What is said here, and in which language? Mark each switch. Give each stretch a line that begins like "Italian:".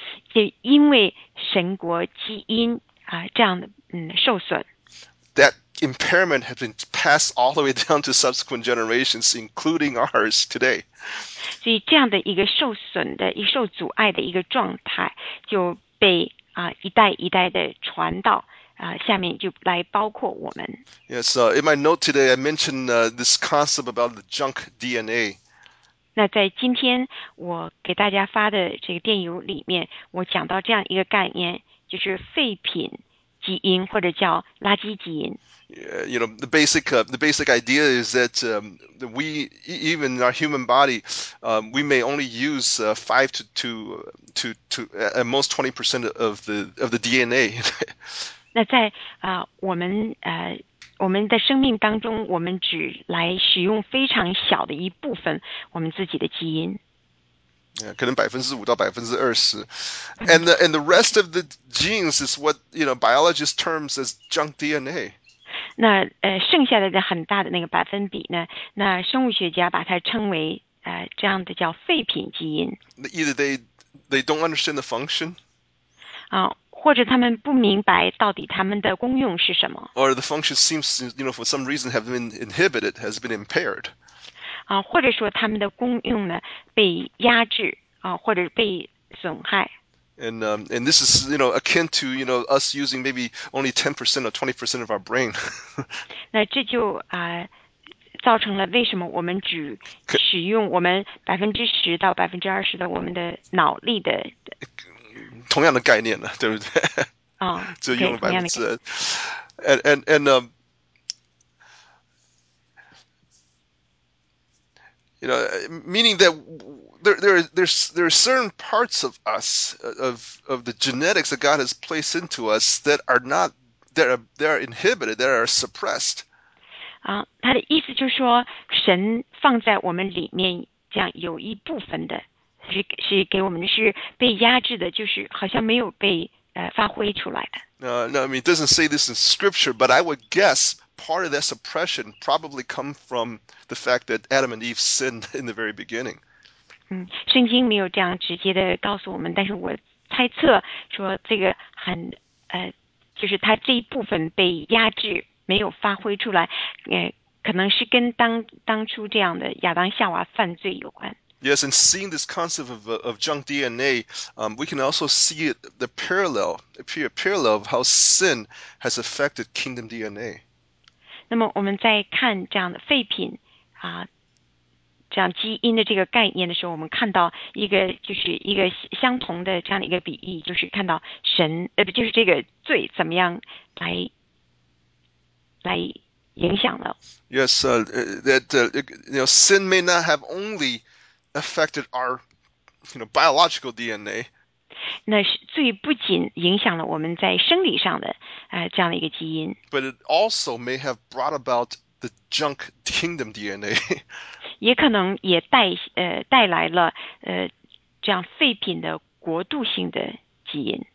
Chinese: 就因为神国基因这样的受损。
English: That impairment has been passed all the way down to subsequent generations, including ours today.
Chinese: 所以这样的一个受损的、一受阻碍的一个状态，就被一代一代的传到下面就来包括我们。
English: Yes, in my note today, I mentioned this concept about the junk DNA.
Chinese: 那在今天我给大家发的这个电邮里面，我讲到这样一个概念，就是废品基因或者叫垃圾基因。
English: The basic idea is that we even in our human body we may only use 5 to at most 20% of the DNA.
Chinese: 那在我们的生命当中，我们只来使用非常小的一部分我们自己的基因。可能5%到20%，
English: and the rest of the genes is what biologists terms as junk DNA。
Chinese: 那剩下的很大的那个百分比呢？那生物学家把它称为这样的叫废品基因。
English: Either they don't understand the function,
Chinese: 或者他们不明白到底他们的功用是什么。
English: or the function seems for some reason have been inhibited, has been impaired.
Chinese: 或者说他们的功用呢被压制，或者被损害。
English: And this is, you know, akin to, you know, us using maybe only 10% or 20% of our brain.
Chinese: 那这就造成了为什么我们只使用我们10%-20%的我们的脑力的。同样的概念了，对不对？就用了10%。
English: You know, meaning that there are certain parts of us, of the genetics that God has placed into us that are not, that are inhibited, that are suppressed.
Chinese: 他的意思就是说，神放在我们里面这样有一部分的，是给我们是被压制的，就是好像没有被发挥出来的。
English: No, I mean, it doesn't say this in scripture, but I would guess part of that suppression probably come from the fact that Adam and Eve sinned in the very beginning.
Chinese: 圣经没有这样直接的告诉我们，但是我猜测说这个很就是他这一部分被压制没有发挥出来，可能是跟当初这样的亚当夏娃犯罪有关。
English: Yes, and seeing this concept of junk DNA, we can also see it, the parallel of how sin has affected kingdom DNA.
Chinese: 那么我们在看这样的废品这样基因的这个概念的时候，我们看到一个就是一个相同的这样的一个比喻，就是看到神就是这个罪怎么样来影响了。
English: Yes, you know, sin may not have only affected our, you know, biological DNA.
Chinese: 那罪不仅影响了我们在生理上的这样的一个基因。
English: But it also may have brought about the junk kingdom DNA.
Chinese: 也可能也带来了这样废品的国度性的基因。